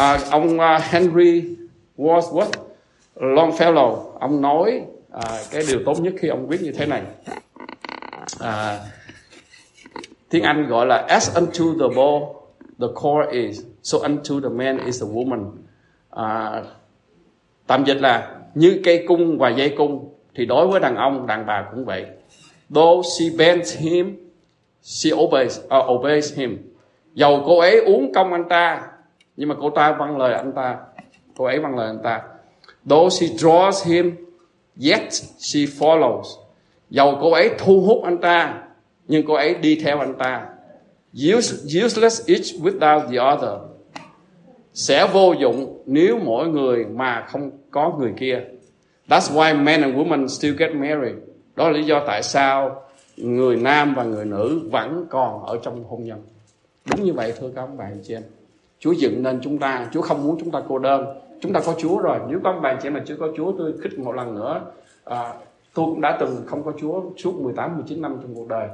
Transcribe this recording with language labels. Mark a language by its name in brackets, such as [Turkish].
[Vietnamese] Ông Henry Wadsworth Longfellow, ông nói cái điều tốt nhất khi ông viết như thế này, tiếng Anh gọi là [English] as unto the bow the core is, so unto the man is the woman. [Vietnamese] Tạm dịch là như cây cung và dây cung thì đối với đàn ông, đàn bà cũng vậy. [English] Though she bends him, she obeys him. [Vietnamese] Dầu cô ấy uống công anh ta, nhưng mà cô ta vâng lời anh ta. Cô ấy vâng lời anh ta. [English] Though she draws him, yet she follows. [Vietnamese] Dầu cô ấy thu hút anh ta, nhưng cô ấy đi theo anh ta. [English] Useless each without the other. [Vietnamese] Sẽ vô dụng nếu mỗi người mà không có người kia. [English] That's why men and women still get married. [Vietnamese] Đó là lý do tại sao người nam và người nữ vẫn còn ở trong hôn nhân. Đúng như vậy, thưa các ông bạn chị em. Chúa dựng nên chúng ta, Chúa không muốn chúng ta cô đơn. Chúng ta có Chúa rồi. Nếu các ông bạn chị em mà chưa có Chúa, tôi khích một lần nữa. Tôi cũng đã từng không có Chúa suốt 18, 19 năm trong cuộc đời.